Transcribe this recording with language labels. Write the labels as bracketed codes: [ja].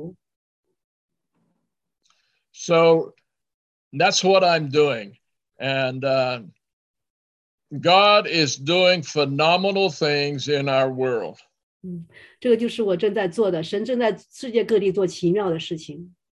[zh] 我64岁的时候，主这么对我说的。他说你要去到这些从来没有听闻福音的这些民族去，直到所有的万族万民都认识也都听闻耶稣基督。So [en] that's what I'm doing. And God is doing phenomenal things in our world. [zh] 这个就是我正在做的，神正在世界各地做奇妙的事情。